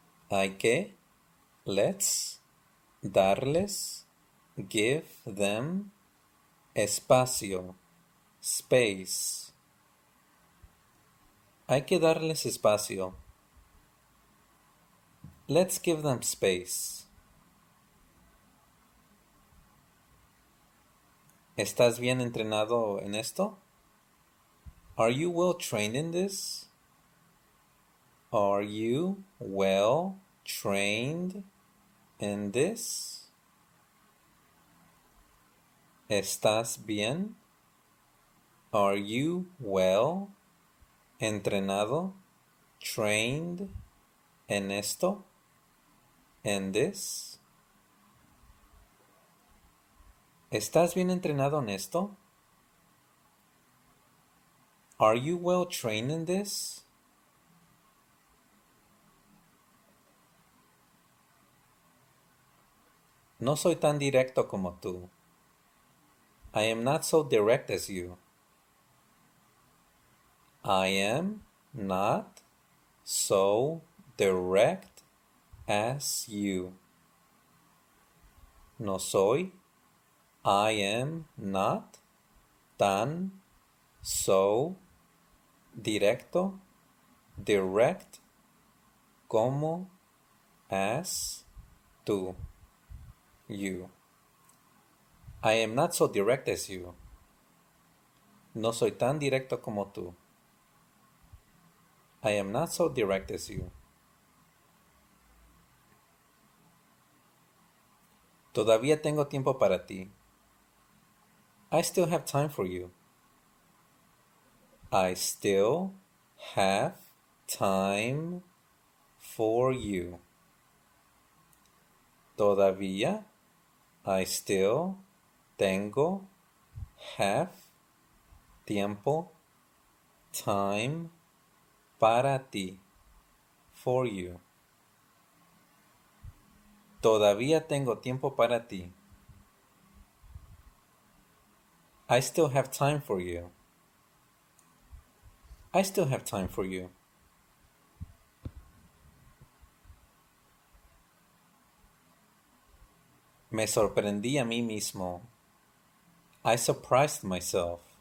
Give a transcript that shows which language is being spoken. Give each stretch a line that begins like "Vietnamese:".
Spanish: Hay que,
English: let's,
Spanish: darles,
English: give them,
Spanish: espacio,
English: space.
Spanish: Hay que darles espacio.
English: Let's give them space.
Spanish: ¿Estás bien entrenado en esto?
English: Are you well trained in this? Are you well trained in this?
Spanish: ¿Estás bien?
English: Are you well
Spanish: entrenado,
English: trained
Spanish: en esto,
English: in this?
Spanish: ¿Estás bien entrenado en esto?
English: Are you well trained in this?
Spanish: No soy tan directo como tú.
English: I am not so direct as you. I am not so direct as you.
Spanish: No soy.
English: I am not
Spanish: tan
English: so
Spanish: directo,
English: direct
Spanish: como
English: as
Spanish: tú,
English: you. I am not so direct as you.
Spanish: No soy tan directo como tú.
English: I am not so direct as you.
Spanish: Todavía tengo tiempo para ti.
English: I still have time for you. I still have time for you.
Spanish: Todavía,
English: I still
Spanish: tengo,
English: have,
Spanish: tiempo,
English: time,
Spanish: para ti,
English: for you.
Spanish: Todavía tengo tiempo para ti.
English: I still have time for you. I still have time for you.
Spanish: Me sorprendí a mí mismo.
English: I surprised myself.